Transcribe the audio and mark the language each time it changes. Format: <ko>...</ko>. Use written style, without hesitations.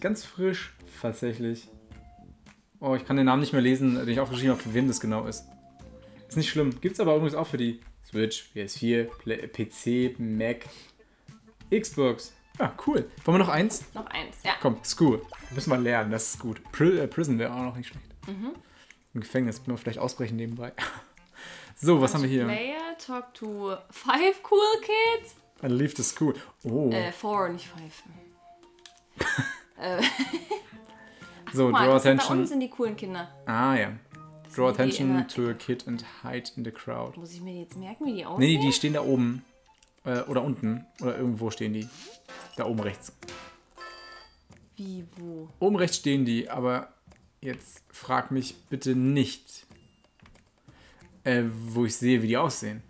<de>Ganz frisch, tatsächlich. Oh, ich kann den Namen nicht mehr lesen, den ich aufgeschrieben habe, für wen das genau ist. Ist nicht schlimm. Gibt's aber übrigens auch für die Switch, PS4, PC, Mac, Xbox. Ja, cool. Wollen wir noch eins? Noch eins, ja. Komm, School. Müssen wir lernen, das ist gut. Prison wäre auch noch nicht schlecht. Mhm. Im Gefängnis müssen wir vielleicht ausbrechen nebenbei. So, was haben wir hier?</de> <en>Player talk to 5 cool kids. I leave the school. Oh.</en> <de>4, nicht 5. So, guck mal,</de> <en>attention.</en> <de>Bei uns sind die coolen Kinder. Ah, ja.</de> <en>Draw attention to a kid and hide in the crowd.</en> <de>Muss ich mir jetzt merken, wie die aussehen? Nee, die stehen da oben. Oder unten. Oder irgendwo stehen die. Da oben rechts. Wie, wo? Oben rechts stehen die, aber jetzt frag mich bitte nicht, wo ich sehe, wie die aussehen.</de>